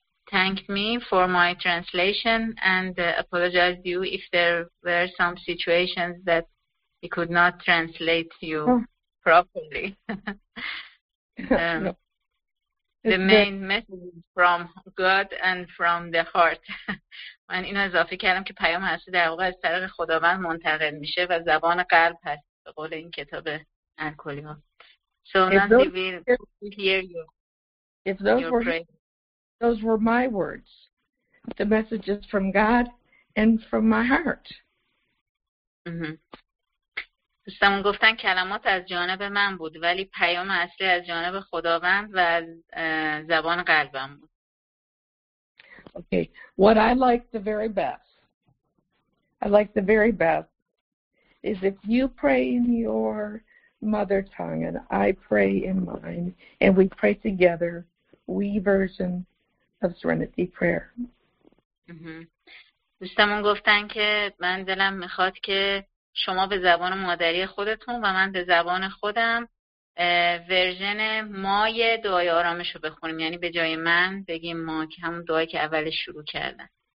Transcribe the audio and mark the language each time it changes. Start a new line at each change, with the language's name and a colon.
English: thank me for my translation and apologize to you if there were some situations that he could not translate you properly. The main message is from God and from the heart.
Persian: من اینو اضافه کردم که پیام هست در واقع از طریق خداوند منتقل میشه و زبان قلب هست به قول این کتاب الکلی ها.
English: So Nancy will hear you. If those were my words, the message is from God and from my heart.
Persian: دوستمون گفتن کلمات از جانب من بود ولی پیام اصلی از جانب خداوند و از زبان قلبم بود.
English: Okay. What I like the very best, I like the very best, is if you pray in your mother tongue and I pray in mine and we pray together, we version of Serenity Prayer.
Persian: دوستمون گفتن که من دلم میخواد که شما به زبان مادری خودتون و من به زبان خودم ورژن مای دعای آرامش رو بخونیم. یعنی به جای من بگیم ما که همون دعایی که اول شروع کردن.